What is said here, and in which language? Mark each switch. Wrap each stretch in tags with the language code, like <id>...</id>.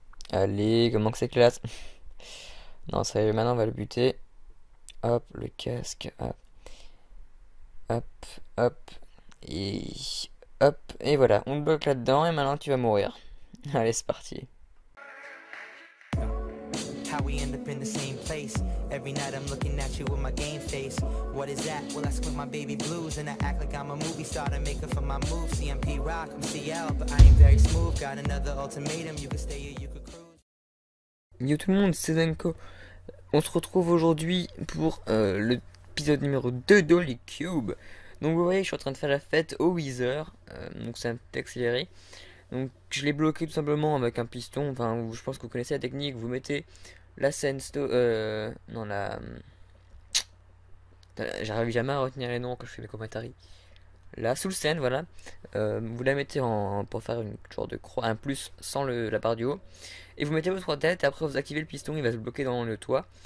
<fr>Allez, comment que c'est classe? Non, ça y est, maintenant on va le buter. Hop, le casque. Hop. Hop, hop. Et hop, et voilà, on le bloque là-dedans et maintenant tu vas mourir. Allez, c'est parti.</fr> <en>How we end up in the same place. Every night I'm looking at you with my game face. What is that? Well, that's with my baby blues. And I act like I'm a movie star to make up for my moves. CMP Rock, I'm CL, but I ain't very smooth. Got another ultimatum, you could stay or you could cruise.</en> <fr>Yo tout le monde, c'est Zenko. On se retrouve aujourd'hui pour l'épisode numéro 2 d'Holy Cube. Donc vous voyez, je suis en train de faire la fête au Wither. Donc c'est un peu accéléré. Donc je l'ai bloqué tout simplement avec un piston, enfin je pense que vous connaissez la technique, vous mettez la sandstone, non la, j'arrive jamais à retenir les noms quand je fais mes commentaires, la soul sand, voilà, vous la mettez en, pour faire une genre de croix, un plus sans le, la barre du haut, et vous mettez vos trois têtes, et après vous activez le piston, il va se bloquer dans le toit.</fr>